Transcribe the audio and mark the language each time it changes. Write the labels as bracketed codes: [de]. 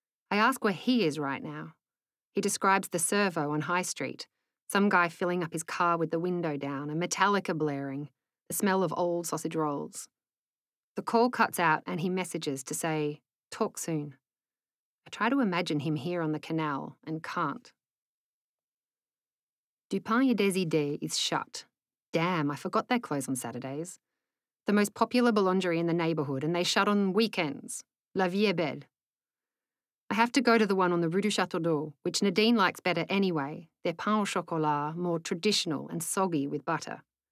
[en] I ask where he is right now. He describes the servo on High Street, some guy filling up his car with the window down, a Metallica blaring, the smell of old sausage rolls. The call cuts out and he messages to say, talk soon. I try to imagine him here on the canal and can't. Du Pain et des Idées is shut. Damn, I forgot their close on Saturdays. The most popular boulangerie in the neighbourhood, and they shut on weekends. [fr] La vie est belle. [en] I have to go to the one on the Rue du Château d'Eau, which Nadine likes better anyway, their pain au chocolat, more traditional and soggy with butter.